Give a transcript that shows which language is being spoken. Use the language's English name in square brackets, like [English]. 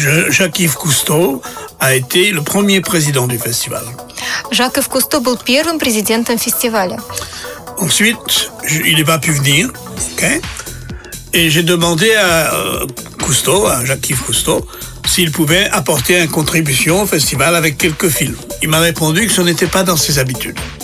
[French] Jacques Yves Cousteau a été le premier président du festival. [Russian] Jacques Yves Cousteau был первым президентом фестиваля. [French] Ensuite, il n'est pas pu venir, ok? Et j'ai demandé à Cousteau, à Jacques Yves Cousteau, s'il pouvait apporter une contribution au festival avec quelques films. Il m'a répondu que ce n'était pas dans ses habitudes.